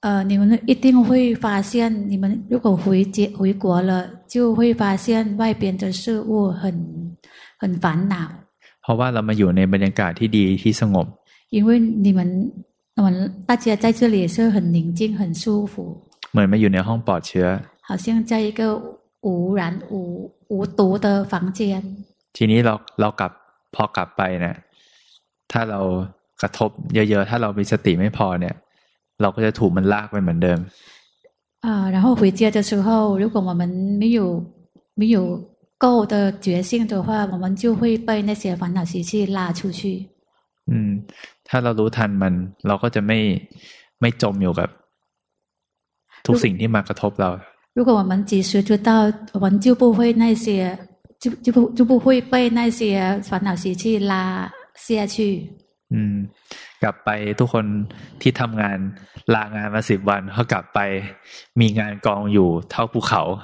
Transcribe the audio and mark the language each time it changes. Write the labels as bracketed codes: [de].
[zh] 你们一定会发现你们如果回国了就会发现外边的事物很烦恼 [th] เพราะว่าเรามาอยู่ในบรรยากาศที่ดีที่สงบ [zh] 因为你们大家在这里是很宁静很舒服 [th] เหมือนมาอยู่ในห้องปลอดเชื้อ [zh] 好像在一个无染无毒的房间 [th] ทีนี้เรากลับพอกลับไปเนี่ยถ้าเรากระทบเยอะๆถ้าเรามีสติไม่พอเนี่ยเราก็จะถูกมันลากไปเหมือนเดิม [zh] 然后回家的时候如果我们没有够的决心的话我们就会被那些烦恼习气拉出去 [th] ถ้าเรารู้ทันมันเราก็จะไม่จมอยู่กับทุกสิ่งที่มากระทบเรา [zh] 如果我们及时知道我们就不会那些就不会被那些烦恼习气拉下去 [th] กลับไปทุกคนที่ทำงานลางานมา10วันเขากลับไปมีงานกองอยู่เท่าภูเขา